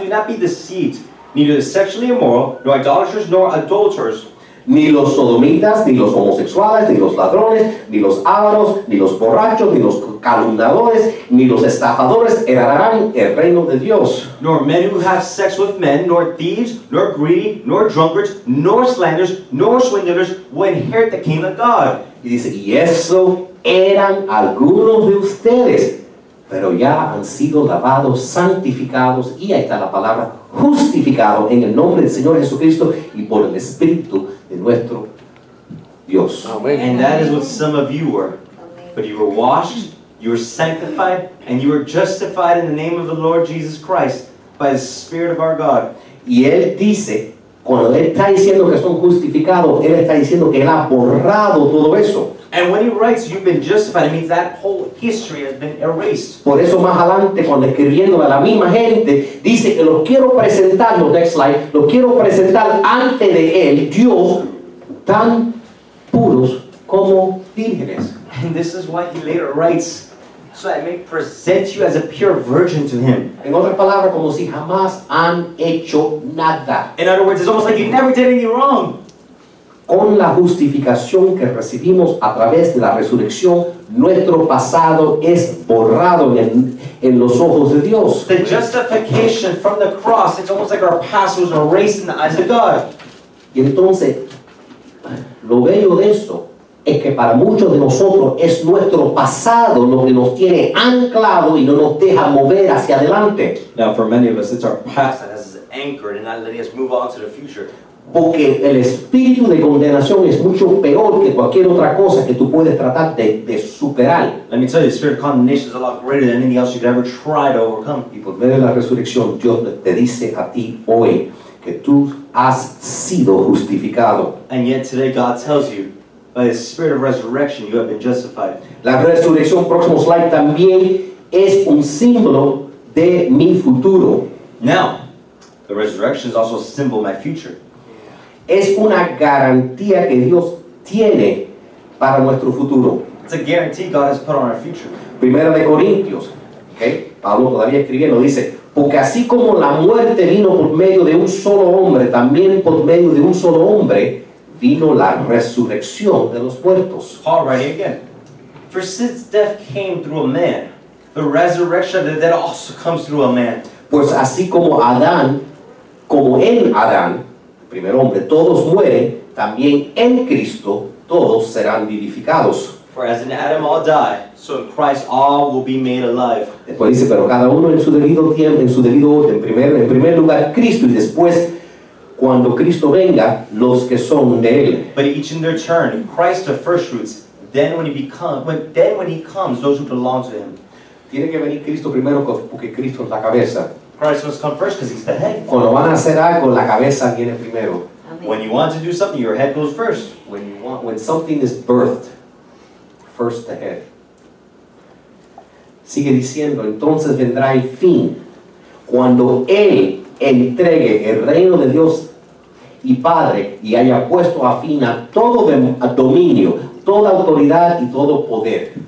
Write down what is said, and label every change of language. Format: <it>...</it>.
<en>Do not be deceived. Neither the sexually immoral, nor idolaters, nor adulterers.</en> <es>Ni los sodomitas, ni los homosexuales, ni los ladrones, ni los ávaros, ni los borrachos, ni los calumniadores, ni los estafadores heredarán el reino de Dios.</es> <en>Nor men who have sex with men, nor thieves, nor greedy, nor drunkards, nor slanders, nor swindlers will inherit the kingdom of God.</en> <es>Y dice, y eso eran algunos de ustedes, pero ya han sido lavados, santificados, y ahí está la palabra, justificados en el nombre del Señor Jesucristo y por el Espíritu de nuestro Dios.</es> <en>Amen. And that is what some of you were. But you were washed, you were sanctified, and you were justified in the name of the Lord Jesus Christ by the Spirit of our God.</en> <es>Y él dice, cuando él está diciendo que son justificados, él está diciendo que él ha borrado todo eso.</es> <en>And when he writes, you've been justified, it means that whole history has been erased.</en> <es>Por eso más adelante, cuando escribiendo a la misma gente, dice que lo quiero presentar, no,</es> <en>next slide,</en> <es>lo quiero presentar ante de él, Dios, tan puros como vírgenes.</es> <en>And this is why he later writes, so I may present you as a pure virgin to him.</en> <es>En otras palabras, como si jamás han hecho nada.</es> <en>In other words, it's almost like you never did any wrong.</en> <es>Con la justificación que recibimos a través de la resurrección, nuestro pasado es borrado en los ojos de Dios.</es> <en>The justification from the cross, it's almost like our past was erased in the eyes of God.</en> <es>Y entonces, lo bello de esto es que para muchos de nosotros es nuestro pasado lo que nos tiene anclado y no nos deja mover hacia adelante.</es> <en>Now for many of us, it's our past that has us anchored and not letting us move on to the future.</en> <es>Porque el espíritu de condenación es mucho peor que cualquier otra cosa que tú puedes tratar de superar.</es> <en>Let me tell you, the spirit of condemnation is a lot greater than anything else you could ever try to overcome.</en> <es>Y por medio de la resurrección, Dios te dice a ti hoy que tú has sido justificado.</es> <en>And yet today God tells you, by the spirit of resurrection, you have been justified.</en> <es>La resurrección, próximo slide, también es un símbolo de mi futuro.</es> <en>Now, the resurrection is also a symbol of my future.</en> <es>Es una garantía que Dios tiene para nuestro futuro.</es> <en>It's a guarantee God has put on our future.</en> <es>Primera de Corintios, okay? Pablo todavía escribiendo, dice, porque así como la muerte vino por medio de un solo hombre, también por medio de un solo hombre vino la resurrección de los muertos.</es> <en>Paul writing again. For since death came through a man, the resurrection of the dead also comes through a man.</en> <es>Pues así como Adán, como en Adán, primer hombre, todos mueren, también en Cristo todos serán vivificados.</es> <en>For as in Adam all die, so in Christ all will be made alive.</en> <es>Después dice, pero cada uno en su debido tiempo, en su debido orden, en primer lugar Cristo, y después cuando Cristo venga, los que son de él.</es> <en>But each in their turn, Christ the first fruits, then when he comes, those who belong to him.</en> <es>Tiene que venir Cristo primero porque Cristo es la cabeza.</es> <en>Christ must come first because he's the head.</en> <es>Cuando van a hacer algo, la cabeza viene primero.</es> <en>When you want to do something, your head goes first. When something is birthed, first the head.</en> <es>Sigue diciendo, entonces vendrá el fin. Cuando él entregue el reino de Dios y Padre y haya puesto a fin a todo dominio, toda autoridad y todo poder.</es>